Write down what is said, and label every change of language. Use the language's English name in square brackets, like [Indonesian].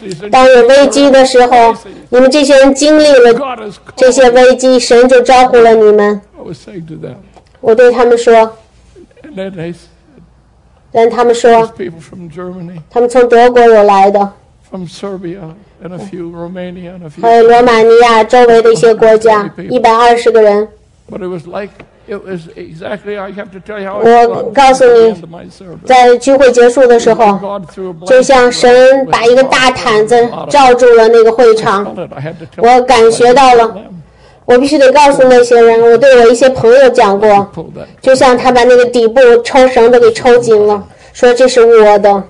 [Chinese] 当有危机的时候，你们这些人经历了这些危机，神就招呼了你们。我对他们说，让他们说，他们从德国有来的。 [English] From Serbia and a few Romania and a few. [Chinese] 还有罗马尼亚周围的一些国家，一百二十个人。 [English] But it was like it was exactly. I have to tell you how. [Chinese] 我告诉你，在聚会结束的时候，就像神把一个大毯子罩住了那个会场。我感觉到了。我必须得告诉那些人，我对我一些朋友讲过，就像他把那个底部抽绳都给抽紧了，说这是我的。